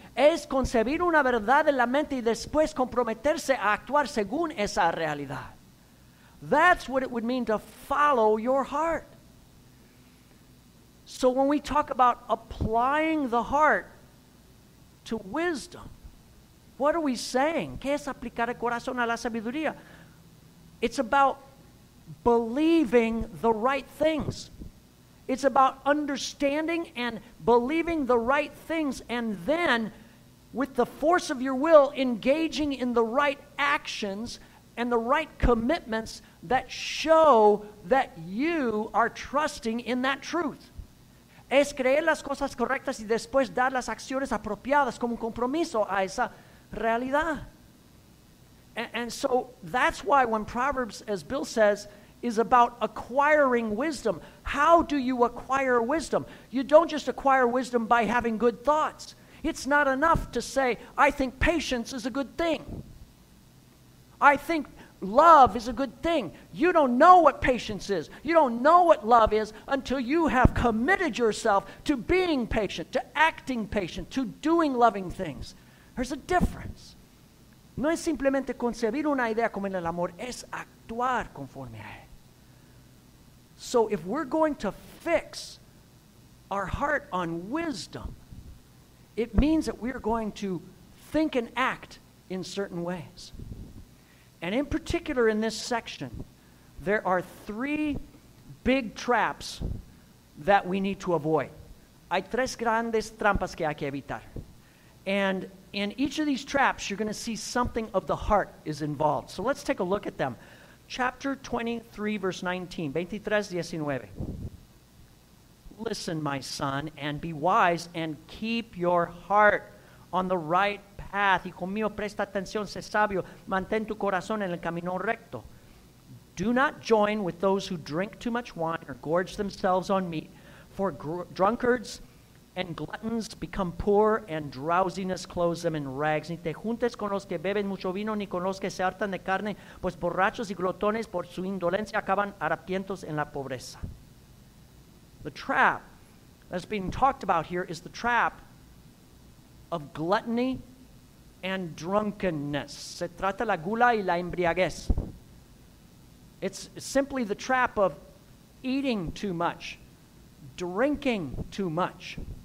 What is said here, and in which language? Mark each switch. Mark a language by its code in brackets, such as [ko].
[es] Es concebir una verdad en la mente y después comprometerse a actuar según esa realidad. [en] That's what it would mean to follow your heart. So when we talk about applying the heart to wisdom, what are we saying? [es] ¿Qué es aplicar el corazón a la sabiduría? [en] It's about believing the right things. It's about understanding and believing the right things and then with the force of your will engaging in the right actions and the right commitments that show that you are trusting in that truth. [es] Es creer las cosas correctas y después dar las acciones apropiadas como un compromiso a esa realidad. [en] And so that's why when Proverbs, as Bill says, is about acquiring wisdom. How do you acquire wisdom? You don't just acquire wisdom by having good thoughts. It's not enough to say, I think patience is a good thing. I think love is a good thing. You don't know what patience is. You don't know what love is until you have committed yourself to being patient, to acting patient, to doing loving things. There's a difference. [es] No es simplemente concebir una idea como el amor, es actuar conforme a él. [en] So if we're going to fix our heart on wisdom, it means that we are going to think and act in certain ways. And in particular in this section, there are three big traps that we need to avoid. [es] Hay tres grandes trampas que hay que evitar. [en] And in each of these traps, you're going to see something of the heart is involved. So let's take a look at them. Chapter 23, verse 19. 23, 19. Listen, my son, and be wise, and keep your heart on the right path. [es] Hijo mío, presta atención, sé sabio, mantén tu corazón en el camino recto. [en] Do not join with those who drink too much wine or gorge themselves on meat, for drunkards and gluttons become poor, and drowsiness clothes them in rags. [es] Ni te juntes con los que beben mucho vino, ni con los que se hartan de carne, pues borrachos y glotones por su indolencia acaban harapientos en la pobreza. [en] The trap that's being talked about here is the trap of gluttony and drunkenness. [es] Se trata la gula y la embriaguez. [en] It's simply the trap of eating too much, drinking too much.